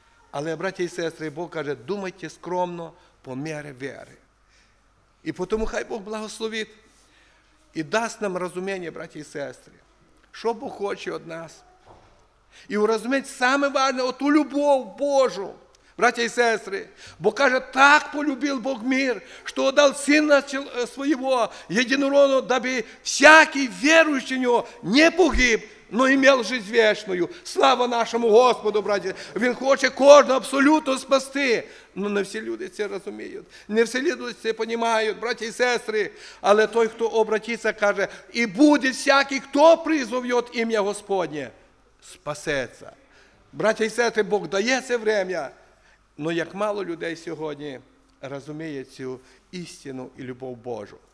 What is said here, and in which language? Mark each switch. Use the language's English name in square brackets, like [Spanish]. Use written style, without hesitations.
[Ukrainian] Але, браті і сестри, Бог каже, думайте скромно по мірі віри. І тому хай Бог благословить і дасть нам розуміння, браті і сестри, що Бог хоче від нас. І урозуміти саме важливе, оту любов Божу, [Russian] Братья и сестры, Бог говорит, так полюбил Бог мир, что отдал Сына Своего Единородного, дабы всякий верующий в Него не погиб, но имел жизнь вечную. Слава нашему Господу, братья. [Ukrainian] Він хоче кожного абсолютно спасти. Но не всі люди це розуміють. Не всі люди це понімають, [Russian] братья и сестры. [Ukrainian] Але той, хто обратиться, каже, і буде всякий, хто призовет ім'я Господнє, спасеться. [Russian] Братья и сестры, [Ukrainian] Бог дає це время. Но як мало людей сьогодні розуміє цю істину і любов Божу.